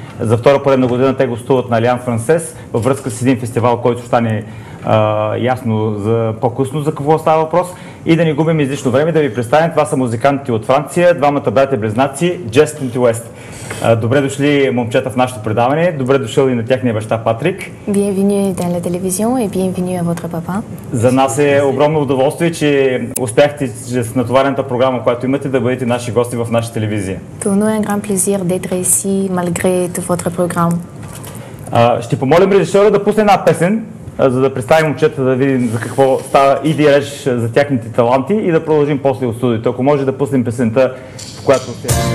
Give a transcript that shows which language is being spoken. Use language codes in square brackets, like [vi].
[bg] За втора поредна година те гостуват на Алиан Франсез във връзка с един фестивал, който стане ясно за по-късно за какво става въпрос. И да не губим излишно време да ви представим. Това са музикантите от Франция, двамата братя-близнаци, Justin и West. Добре дошли, момчета, в нашето предаване. Добре дошъл и на тяхния баща Патрик. [fr] Bienvenue dans la télévision et bienvenue à votre papa. [bg] За нас е огромно удоволствие, че успяхте с натоварената програма, която имате, да бъдете наши гости в наша телевизия. [fr] Pour nous un grand plaisir d'être ici malgré votre programme. [bg] Ще помолим режисьора да пусне една песен, за да представим момчета, да видим за какво става иди реч за тяхните таланти и да продължим после от студиото. Ако може да пуснем песента, в която се...